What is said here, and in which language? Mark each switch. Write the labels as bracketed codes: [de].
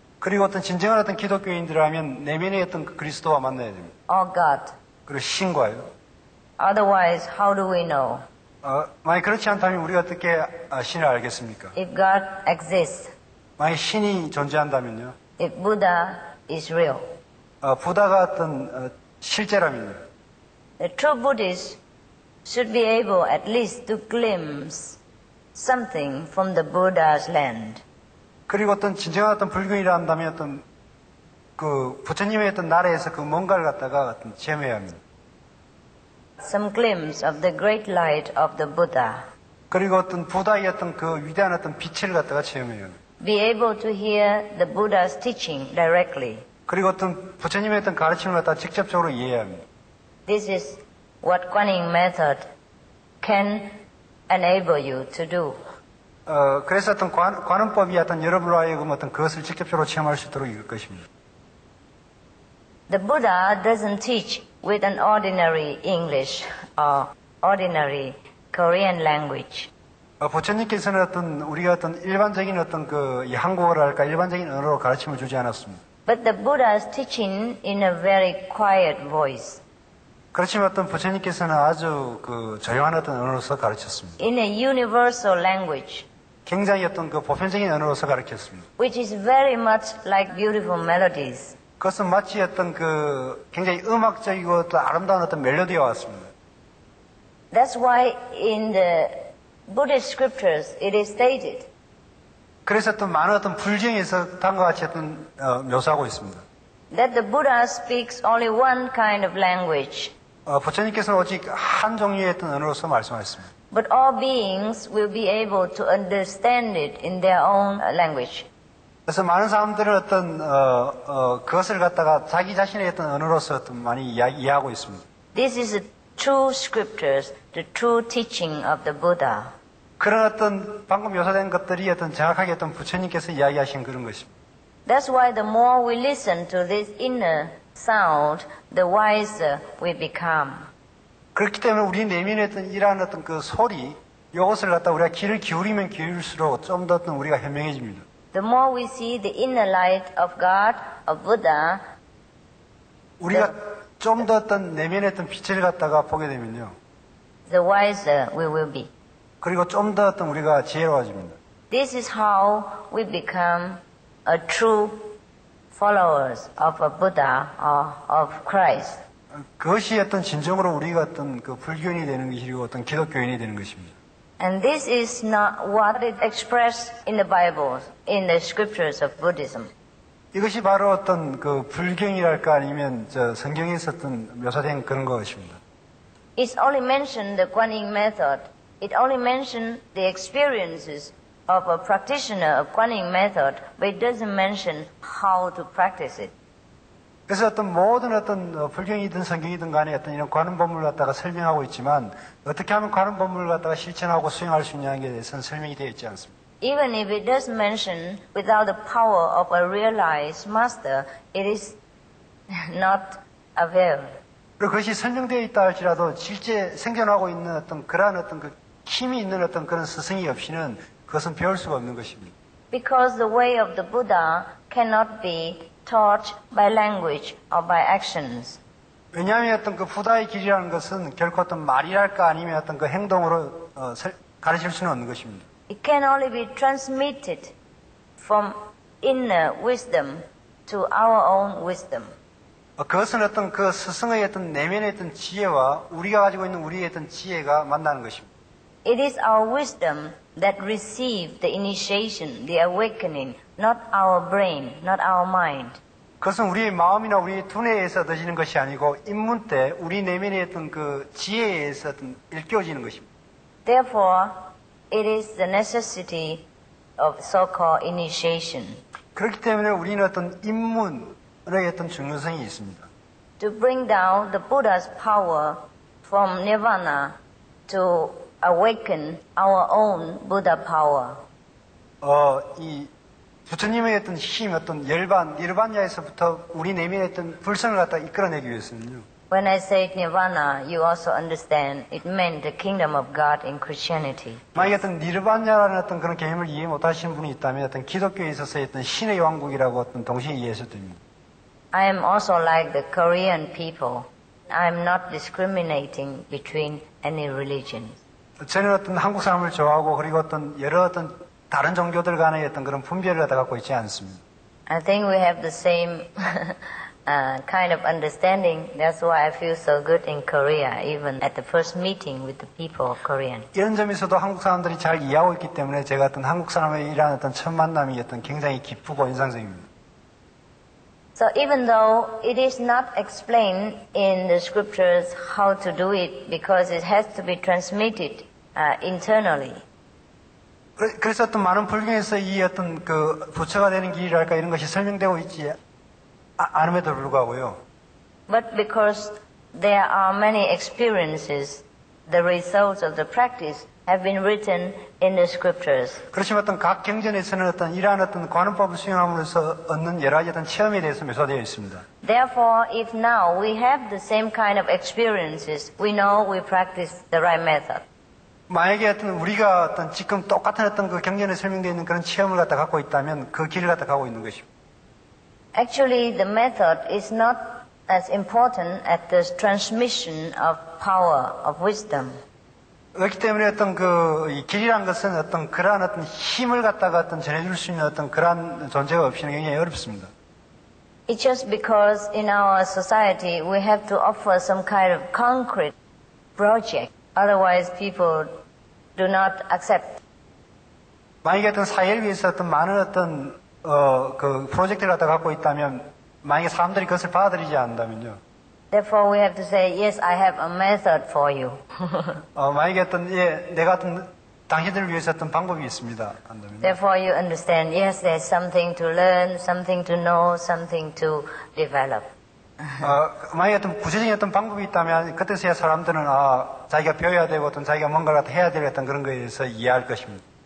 [ko] 그리고 어떤 진정한 어떤 기독교인들이라면 내면의 어떤 그리스도와 만나야 됩니다. [en] Or God. [ko] 그리고 신과요. [en] Otherwise, how do we know? [ko] 만약 그렇지 않다면 우리가 어떻게 신을 알겠습니까? [en] If God exists. [ko] 만약 신이 존재한다면요? [en] If Buddha is real. [ko] 부다가 어떤 실제라면요? [en] The true Buddhist should be able at least to glimpse something from the Buddha's land. [ko] 그리고 어떤 진정한 어떤 불교인이라 한다면 어떤 그 부처님의 어떤 나라에서 그 뭔가를 갖다가 어떤 체험해야 합니다. [en] Some glimpse of the great light of the Buddha. [ko] 그리고 어떤 부다의 어떤 그 위대한 어떤 빛을 갖다가 체험해야 합니다. [en] Be able to hear the Buddha's teaching directly. [ko] 그리고 어떤 부처님의 어떤 가르침을 갖다가 직접적으로 이해해야 합니다. [en] This is what Guanyin method can enable you to do. [ko] 그래서 어떤 관음법이 어떤 여러분으로 하여금 어떤 그것을 직접적으로 체험할 수 있도록 이룰 것입니다. [en] The Buddha doesn't teach with an ordinary English or ordinary Korean language. [ko] 부처님께서는 어떤 우리가 어떤 일반적인 어떤 그 한국어랄까 일반적인 언어로 가르침을 주지 않았습니다. [en] But the Buddha's teaching in a very quiet voice. [ko] 그렇지만 어떤 부처님께서는 아주 그 조용한 어떤 언어로서 가르쳤습니다. [en] In a universal language. [ko] 굉장히 어떤 그 보편적인 언어로서 가르쳤습니다. [en] Which is very much like beautiful melodies. [ko] 그것은 마치 어떤 그 굉장히 음악적이고 또 아름다운 어떤 멜로디와 같습니다. [en] That's why in the Buddhist scriptures it is stated. [ko] 그래서 어떤 많은 어떤 불경에서 다음과 같이 어떤 묘사하고 있습니다. [en] That the Buddha speaks only one kind of language. [ko] 부처님께서는 오직 한 종류의 어떤 언어로서 말씀하셨습니다. [en] But all beings will be able to understand it in their own language. [ko] 그래서 많은 사람들은 어떤 그것을 갖다가 자기 자신의 어떤 언어로서 어떤 많이 이해하고 있습니다. [en] This is the true scriptures, the true teaching of the Buddha. [ko] 그런 어떤 방금 묘사된 것들이 어떤 정확하게 어떤 부처님께서 이야기하신 그런 것입니다. [en] That's why the more we listen to this inner sound, the wiser we become. [ko] 그렇기 때문에 우리 내면의 어떤 이러한 어떤 그 소리, 이것을 갖다 우리가 귀를 기울이면 기울일수록 좀 더 어떤 우리가 현명해집니다. [en] The more we see the inner light of God, of Buddha, [ko] 우리가 좀 더 어떤 내면의 어떤 빛을 갖다가 보게 되면요. [en] The wiser we will be. [ko] 그리고 좀 더 어떤 우리가 지혜로워집니다. [en] This is how we become a true followers of a Buddha or of Christ. [ko] 그것이 어떤 진정으로 우리가 어떤 그 불교인이 되는 것이고 어떤 기독교인이 되는 것입니다. [en] And this is not what is expressed in the Bible, in the scriptures of Buddhism. [ko] 이것이 바로 어떤 그 불경이랄까 아니면 저 성경에서 어떤 묘사된 그런 것입니다. [en] It only mentioned the Guan Yin method. It only mentioned the experiences of a practitioner of Guan Yin method, but it doesn't mention how to practice it. [ko] 그래서 어떤 모든 어떤 불경이든 성경이든 간에 어떤 이런 관음법문을 갖다가 설명하고 있지만 어떻게 하면 관음법문을 갖다가 실천하고 수행할 수 있냐는 게 대해서는 설명이 되어 있지 않습니다. [en] Even if it does mention without the power of a realized master, it is not available. [ko] 그것이 설명되어 있다 할지라도 실제 생겨나고 있는 어떤 그러한 어떤 그 힘이 있는 어떤 그런 스승이 없이는 그것은 배울 수가 없는 것입니다. [en] Because the way of the Buddha cannot be taught by language or by actions. [ko] 왜냐하면 어떤 그 부다의 길이라는 것은 결코 어떤 말이랄까 아니면 어떤 그 행동으로 가르칠 수는 없는 것입니다. [en] It can only be transmitted from inner wisdom to our own wisdom. [ko] 그것은 어떤 그 스승의 어떤 내면의 어떤 지혜와 우리가 가지고 있는 우리의 어떤 지혜가 만나는 것입니다. [en] It is our wisdom that receives the initiation, the awakening, not our brain, not our mind. [ko] 그것은 우리의 마음이나 우리의 두뇌에서 얻어지는 것이 아니고 입문 때 우리 내면의 어떤 그 지혜에서 어떤 일깨워지는 것입니다. [en] Therefore, it is the necessity of so-called initiation. [ko] 그렇기 때문에 우리는 어떤 입문의 어떤 중요성이 있습니다. [en] To bring down the Buddha's power from Nirvana to awaken our own Buddha power. [ko] 이 부처님의 어떤 힘, 어떤 열반, 니르바냐에서부터 우리 내면의 어떤 불성을 갖다 이끌어내기 위해서는요. [en] When I say Nirvana, you also understand it meant the kingdom of God in Christianity. [ko] 만약 어떤 니르바냐라는 어떤 그런 개념을 이해 못하시는 분이 있다면 어떤 기독교에 있어서 어떤 신의 왕국이라고 어떤 동시에 이해해서 됩니다. [en] I am also like the Korean people. I am not discriminating between any religion. [ko] 저는 어떤 한국 사람을 좋아하고 그리고 어떤 여러 어떤 다른 종교들 간의 어떤 그런 분별을 갖고 있지 않습니다. [en] I think we have the same kind of understanding. That's why I feel so good in Korea, even at the first meeting with the people of Korean. [ko] 이런 점에서도 한국 사람들이 잘 이해하고 있기 때문에 제가 어떤 한국 사람의 이런 어떤 첫 만남이 어떤 굉장히 기쁘고 인상적입니다. [en] So even though it is not explained in the scriptures how to do it, because it has to be transmitted internally. [ko] 그래서 어떤 많은 불경에서 이 어떤 그 부처가 되는 길이랄까 이런 것이 설명되고 있지 않음에도 불구하고요. [en] But because there are many experiences, the results of the practice have been written in the scriptures. [ko] 그렇지만 어떤 각 경전에서는 어떤 이러한 어떤 관음법을 수행함으로써 얻는 여러 가지 어떤 체험에 대해서 묘사되어 있습니다. [en] Therefore, if now we have the same kind of experiences, we know we practice the right method. [ko] 만약에 어떤 우리가 어떤 지금 똑같은 어떤 그 경전에 설명되어 있는 그런 체험을 갖다 갖고 있다면 그 길을 갖다 가고 있는 것입니다. [en] Actually, the method is not as important as the transmission of power of wisdom. [ko] 그렇기 때문에 어떤 그 길이란 것은 어떤 그러한 어떤 힘을 갖다가 어떤 전해줄 수 있는 어떤 그러한 존재가 없이는 굉장히 어렵습니다. [en] It's just because in our society we have to offer some kind of concrete project. Otherwise, people do not accept. [ko] 만약에 어떤 사회를 위해서 어떤 많은 어떤 그 프로젝트를 갖다 갖고 있다면, 만약에 사람들이 그것을 받아들이지 않는다면요. [en] Therefore, we have to say, yes, I have a method for you. [ko] 만약에 어떤 예, 내가 어떤 당신들을 위해서 어떤 방법이 있습니다. 한다면. [en] Therefore, you understand, yes, there's something to learn, something to know, something to develop. [ko] 만약에 어떤 구체적인 어떤 방법이 있다면 그때서야 사람들은 자기가 배워야 되고 어떤 자기가 뭔가를 해야 될 어떤 그런 것에 대해서 이해할 것입니다.